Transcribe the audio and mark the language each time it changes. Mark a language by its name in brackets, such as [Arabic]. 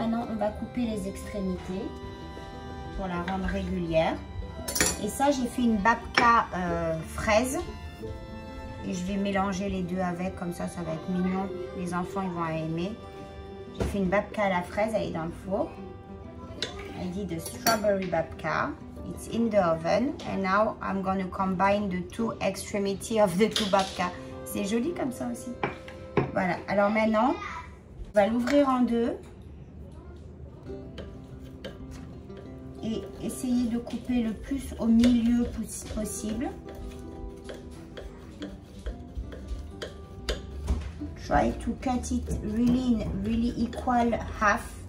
[French] On va couper les extrémités pour la rendre régulière. Et ça, j'ai fait une babka fraise. Et je vais mélanger les deux avec, comme ça, ça va être mignon. Les enfants, ils vont aimer. J'ai fait une babka à la fraise, elle est dans le four. [English] I did a strawberry babka. It's in the oven. And now, I'm going to combine the two extremities of the two babka. [French] C'est joli comme ça aussi. Voilà, alors maintenant, on va l'ouvrir en deux. Et essayez de couper le plus au milieu possible. [English] Try to cut it really in, really equal half.